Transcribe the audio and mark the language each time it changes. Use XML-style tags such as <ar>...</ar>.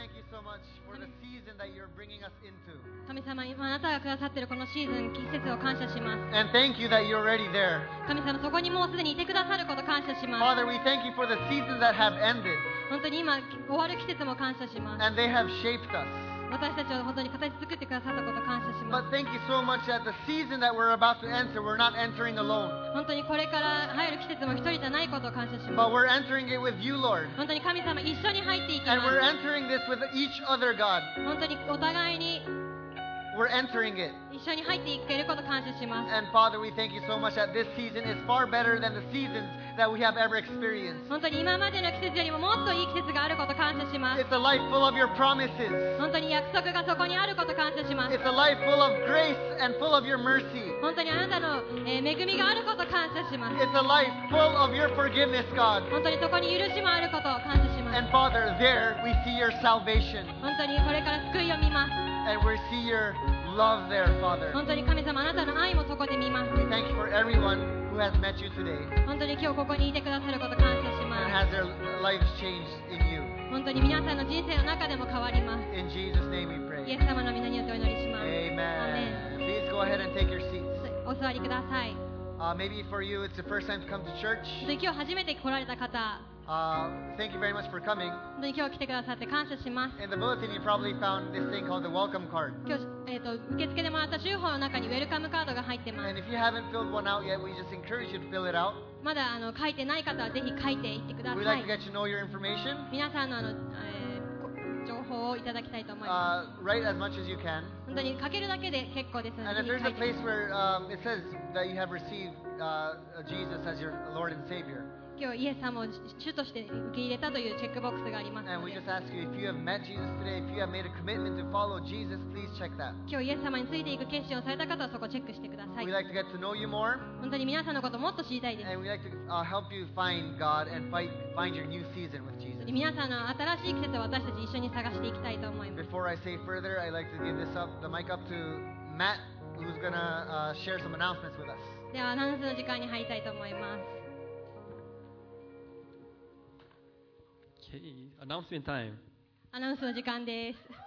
<en>so much for the season that you're bringing us into.</en> <ja>神様、今あなたがくださっているこのシーズン、季節を感謝します。</ja> <en>And thank you that you're already there.</en> <ja>神様、そこにもうすでにいてくださることを感謝します。</ja> <en>Father, we thank you for the seasons that have ended.</en> <ja>本当に今終わる季節も感謝します。</ja> <en>And they have shaped us.</en> <ja>私たちを本当に形作ってくださったことを感謝します。</ja> <en>But thank you so much that the season that we're about to enter, we're not entering alone.</en> <ja>本当にこれから入る季節も一人じゃないことを感謝します。</ja> <en>But we're entering it with you, Lord.</en> <ja>本当に神様一緒に入っていきます。</ja> <en>And we're entering this with each other, God.</en> <ja>本当にお互いに。</ja> <en>We're entering it.</en> <ja>一緒に入っていけることを感謝します。</ja> <en>And Father, we thank you so much that this season is far better than the seasons that we have ever experienced.</en> <ja>本当に今までの季節よりももっといい季節があることを感謝します。</ja> <en>It's a life full of your promises.</en> <ja>本当に約束がそこにあることを感謝します。</ja> <en>It's a life full of grace and full of your mercy.</en> <ja>本当にあなたの恵みがあることを感謝します。</ja> <en>It's a life full of your forgiveness, God.</en> <ja>本当にそこに許しもあることを感謝します。</ja> <en>And Father, there we see your salvation.</en> <ja>本当にこれから救いを見ます。</ja> <en>And we see your love there, Father.</en> <ja>本当に神様、あなたの愛もそこで見ます。</ja> <en>We thank you for everyone who has met you today.</en> <ja>本当に今日ここにいてくださること感謝します。</ja> <en>And has their lives changed in you.</en> <ja>本当に皆さんの人生の中でも変わります。</ja> <en>In Jesus' name we pray.</en> <ja>イエス様の皆によってお祈りします。</ja> <en>Amen. Please go ahead and take your seats.</en> <ja>お座りください。</ja> <en>Maybe for you, it's the first time to come to church.</en> <ja>今日初めて来られた方。</ja> <en>Thank you very much for coming.</en> <ja>本当に今日来てくださって感謝します。</ja> <en>In the bulletin, you probably found this thing called the welcome card.</en> <ja>今日、受付でもらった収報の中にウェルカムカードが入ってます。</ja> <en>And if you haven't filled one out yet, we just encourage you to fill it out.</en> <ja>まだ書いてない方はぜひ書いていってください。</ja> <en>We'd like to get to know your information.</en> <ja>皆さんの情報をいただきたいと思います。</ja> <en>Write as much as you can.</en> <ja>本当に書けるだけで結構ですので。</ja> <en>And if there's a place where it says that you have received Jesus as your Lord and Savior.</en> <ja>今日イエス様を主として受け入れたというチェックボックスがありますので。</ja> <en>And we just ask you, if you have met Jesus today, if you have made a commitment to follow Jesus, please check that.</en> <ja>今日イエス様についていく決心をされた方はそこをチェックしてください。</ja> <en>We'd like to get to know you more.</en> <ja>本当に皆さんのことをもっと知りたいです。</ja> <en>And we'd like to help you find God and find your new season with Jesus.</en> <ja>皆さんの新しい季節を私たち一緒に探していきたいと思います。</ja> <en>Before I say further, I'd like to give this up, the mic up to Matt, who's gonna share some announcements with us.</en> <ja>ではアナウンスの時間に入りたいと思います。</ja> <en>Okay, announcement time.</en> <ja>アナウンスの時間です。</ja>